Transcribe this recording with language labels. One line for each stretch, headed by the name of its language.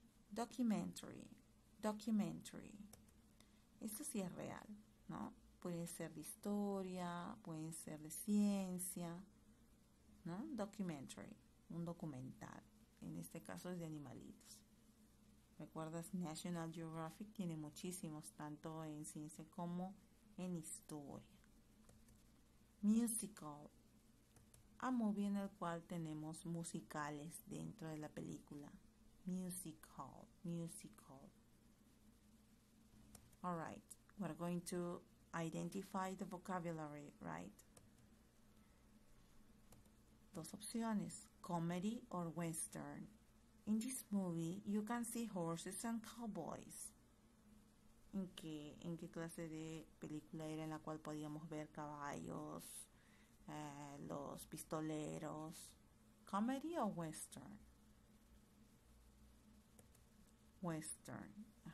English: Documentary, documentary.
Spanish: Esto sí es real, ¿no? Pueden ser de historia, pueden ser de ciencia, ¿no? Documentary, un documental. En este caso es de animalitos. ¿Recuerdas? National Geographic tiene muchísimos, tanto en ciencia como en historia. Musical.
English: A movie
Spanish: en el cual tenemos musicales dentro de la película.
English: Musical. Musical. Alright. We're going to identify the vocabulary, right?
Spanish: Dos opciones.
English: Comedy or western. In this movie, you can see horses and cowboys.
Spanish: ¿En qué clase de película era en la cual podíamos ver caballos, los pistoleros,
English: comedy or western? Western.